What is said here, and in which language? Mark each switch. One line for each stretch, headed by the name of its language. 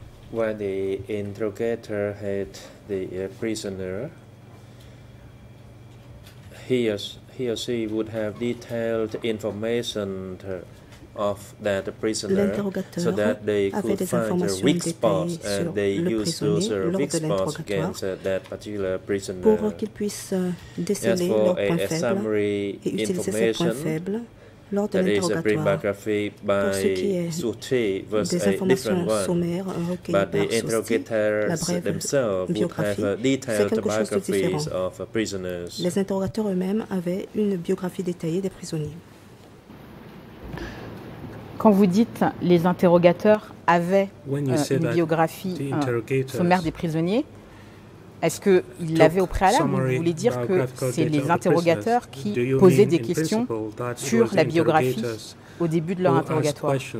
English: When the interrogator had the prisoner, he or she would have detailed information of that prisoner so that they could find a weak spot and they used those weak spots against that particular prisoner.
French: Pour qu'ils puissent déceler leurs points faibles et utiliser ces points faibles lors de l'interrogatoire.
English: That is a bibliography by Suti was a different one, but the interrogators themselves would have detailed biographies of prisoners.
French: Les interrogateurs eux-mêmes avaient une biographie détaillée des prisonniers. Quand vous dites les interrogateurs avaient une biographie sommaire des prisonniers, est-ce qu'ils l'avaient au préalable? Vous voulez dire que c'est les interrogateurs qui posaient des questions sur la biographie au début de leur interrogatoire?